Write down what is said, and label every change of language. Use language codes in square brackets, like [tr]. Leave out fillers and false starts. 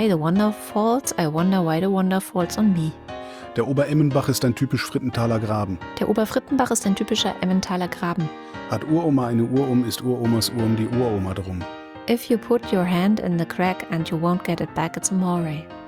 [en] I wonder why the wonder falls on me. [de] Der Oberemmenbach ist ein typisch Frittenthaler Graben. Der Oberfrittenbach ist ein typischer Emmentaler Graben. Hat Uroma eine Uhr um, ist Uromas Uhr um die Uroma drum. [en] If you put your hand in the crack and you won't get it back, it's a moray.